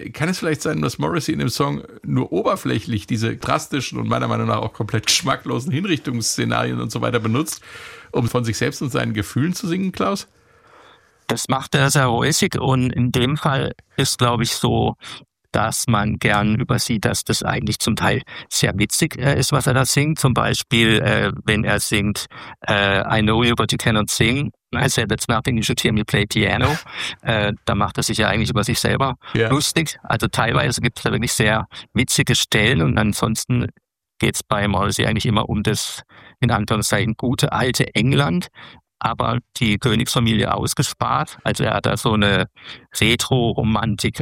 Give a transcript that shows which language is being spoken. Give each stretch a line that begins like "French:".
German: Kann es vielleicht sein, dass Morrissey in dem Song nur oberflächlich diese drastischen und meiner Meinung nach auch komplett geschmacklosen Hinrichtungsszenarien und so weiter benutzt, um von sich selbst und seinen Gefühlen zu singen, Klaus? Das macht er sehr häufig und in dem Fall ist, glaube ich, so, dass man gern übersieht, dass das eigentlich zum Teil sehr witzig ist, was er da singt. Zum Beispiel, wenn er singt,
English: I know you, but you cannot sing. I said, that's nothing, you should hear me play piano.
German: Da macht er sich ja eigentlich über sich selber lustig. Also teilweise gibt es da wirklich sehr witzige Stellen und ansonsten geht es bei Morrissey eigentlich immer um das, in Anführungszeichen, gute alte England. Aber die Königsfamilie ausgespart. Also er hat da so eine Retro-Romantik.